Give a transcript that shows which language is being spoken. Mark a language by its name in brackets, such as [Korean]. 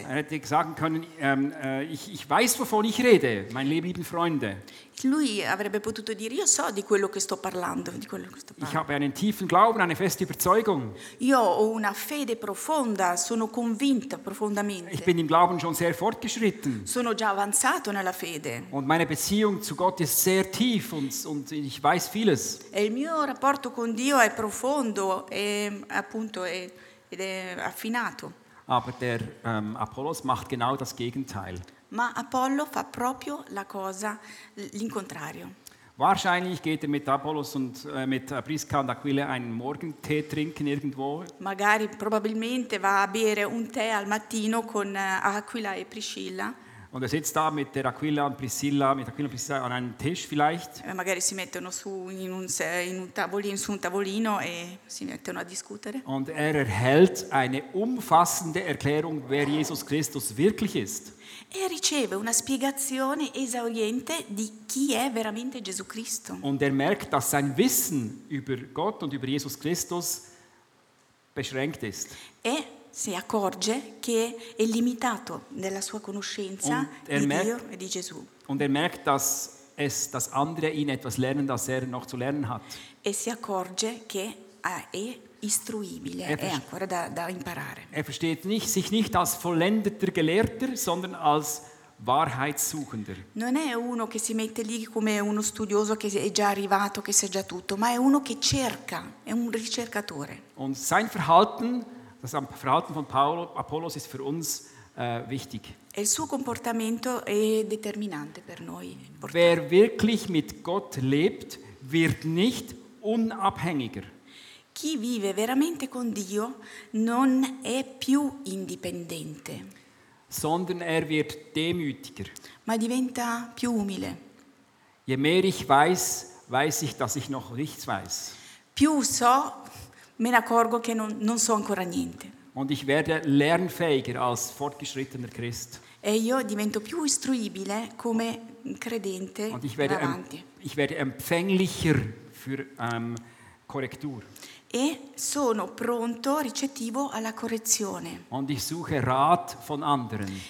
[German] Er hätte sagen können, ich weiß, wovon ich rede, meine lieben Freunde. [Italian] Lui avrebbe potuto dire, io so di quello che sto parlando, di quello che sto parlando. [German] Ich habe einen tiefen Glauben, eine feste Überzeugung. [Italian] Io ho una fede profonda, sono convinta profondamente. [German] Ich bin im Glauben schon sehr fortgeschritten. [Italian] Sono già avanzato nella fede. [German] Und meine Beziehung zu Gott ist sehr tief und ich weiß vieles. [Italian] E il mio rapporto con Dio è profondo e appunto è affinato. [German] Aber der Apollos macht genau das Gegenteil. [Italian] Ma Apollo fa proprio la cosa l'incontrario. [German] Wahrscheinlich geht er mit Apollos und mit Prisca und Aquila einen Morgentee trinken irgendwo. [Italian] Magari probabilmente va a bere un tè al mattino con Aquila e Priscilla. [German] Und er sitzt da mit der Aquila und Priscilla, mit Aquila und Priscilla an einem Tisch vielleicht. [Italian] Magari si mettono su un tavolino e si mettono a discutere. [German] Und er erhält eine umfassende Erklärung, wer Jesus Christus wirklich ist. [Italian] E riceve una spiegazione esauriente di chi è veramente Gesù Cristo. [German] Und er merkt, dass sein Wissen über Gott und über Jesus Christus beschränkt ist. [Italian] E si accorge che è limitato nella sua conoscenza di Dio e di Gesù. [German] Und er merkt, dass es das andere ihn etwas lernen, das er noch zu lernen hat. [Italian] E si accorge che è istruibile, è ancora da imparare. [German] Er versteht sich nicht als vollendeter Gelehrter, sondern als Wahrheitssuchender. [Italian] Non è uno che si mette lì come uno studioso che è già arrivato, che sa già tutto, ma è uno che cerca, è un ricercatore. [German] Und sein Verhalten, das Verhalten von Paolo, Apollos ist für uns wichtig. [Italian] Il suo comportamento è determinante per noi. Importante. [German] Wer wirklich mit Gott lebt, wird nicht unabhängiger. [Italian] Chi vive veramente con Dio non è più indipendente, [German] sondern er wird demütiger. [Italian] Ma diventa più umile. [German] Je mehr ich weiß, weiß ich, dass ich noch nichts weiß. [Italian] Più so, me ne accorgo che non so ancora niente. [German] Und ich werde lernfähiger als fortgeschrittener Christ. [Italian] E io divento più istruibile come credente. [German] Und ich werde empfänglicher für Korrektur. [Italian] E sono pronto, ricettivo alla correzione. [German] Und ich suche Rat von anderen.